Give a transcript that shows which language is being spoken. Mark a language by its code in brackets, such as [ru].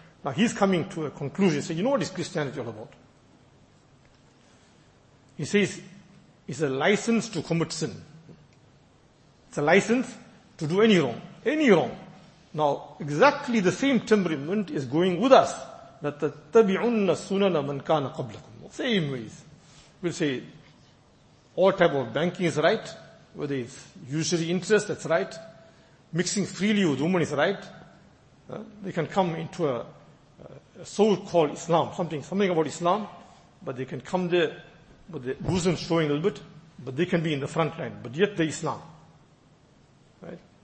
[en] Now he's coming to a conclusion. So you know what is Christianity all about? He says, it's a license to commit sin. It's a license to do any wrong. Any wrong. Now, exactly the same temperament is going with us. [ar] لَتَتَّبِعُنَّ السُّنَنَ مَنْ كَانَ قَبْلَكُمْ [en] Same ways. We'll say, all type of banking is right. Whether it's usury interest, that's right. Mixing freely with women is right. They can come into a so-called Islam, something about Islam, but they can come there with the bosom showing a little bit, but they can be in the front line, but yet they're Islam. Right?